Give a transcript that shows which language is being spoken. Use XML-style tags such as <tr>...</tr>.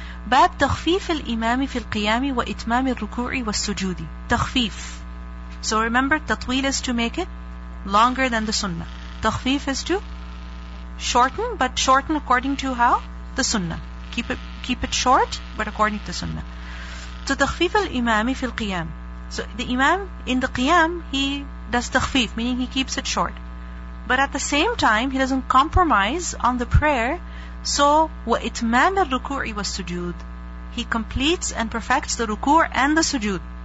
<ar>باب تخفيف الإمام في القيام وإتمام الركوع والسجود. تخفيف.</ar> <en>So remember, تطويل is to make it longer than the sunnah. تخفيف is to shorten, but shorten according to how? The sunnah. Keep it short, but according to the sunnah.</en> <ar>So تخفيف الإمام في القيام.</ar> <en>So the imam in the qiyam, he does تخفيف, meaning he keeps it short. But at the same time, he doesn't compromise on the prayer. So</en> <ar>وَإِتْمَامِ الرُّكُوعِ وَالسُّجُودِ,</ar> <en>he completes and perfects the ruku' and the sujood.</en>